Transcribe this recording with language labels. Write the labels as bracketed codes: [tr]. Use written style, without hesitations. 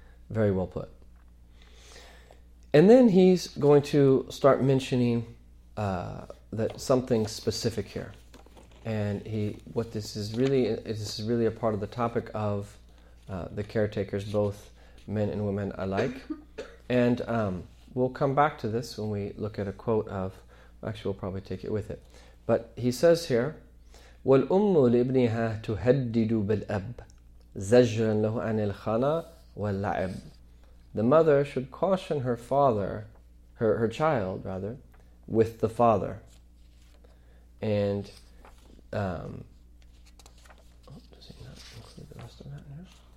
[en] Very well put. And then he's going to start mentioning that something specific here. And this is really a part of the topic of the caretakers, both men and women alike. And we'll come back to this when we look at a quote of, actually we'll probably take it with it. But he says here, [ar] وَالْأُمُّ لِبْنِهَا تُهَدِّدُ بِالْأَبِ زَجْرًا لَهُ عَنِ الْخَنَى وَاللَّعِبِ. [en] The mother should caution her father, her child rather, with the father. And does he not include the rest of that now?